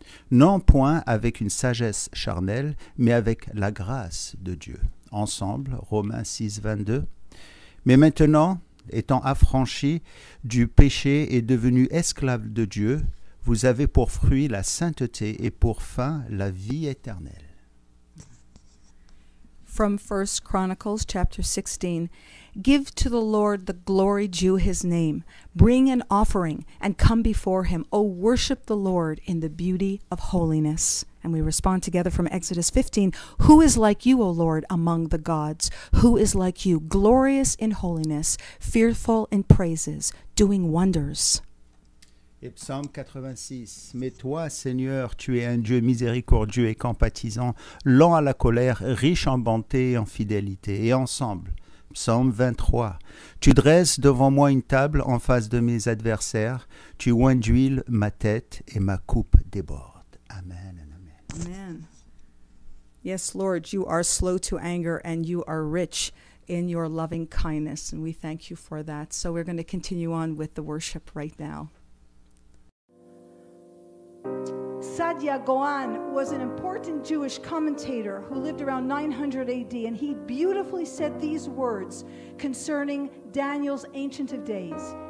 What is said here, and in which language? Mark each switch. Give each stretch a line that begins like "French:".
French: Non point avec une sagesse charnelle, mais avec la grâce de Dieu. Ensemble, Romains 6, 22. Mais maintenant, étant affranchis du péché et devenus esclaves de Dieu, vous avez pour fruit la sainteté et pour fin la vie éternelle.
English: From 1 Chronicles chapter 16, "Give to the Lord the glory due his name. Bring an offering and come before him. O worship the Lord in the beauty of holiness." And we respond together from Exodus 15, "Who is like you, O Lord, among the gods? Who is like you, glorious in holiness, fearful in praises, doing wonders?"
French: Et psaume 86, « Mais toi, Seigneur, tu es un Dieu miséricordieux et compatissant, lent à la colère, riche en bonté et en fidélité. » Et ensemble, psaume 23, « Tu dresses devant moi une table en face de mes adversaires, tu oins d'huile ma tête et ma coupe déborde. » Amen.
English: Amen. Yes, Lord, you are slow to anger and you are rich in your loving kindness, and we thank you for that. So we're going to continue on with the worship right now. Sadia Gaon was an important Jewish commentator who lived around 900 AD, and he beautifully said these words concerning Daniel's Ancient of Days.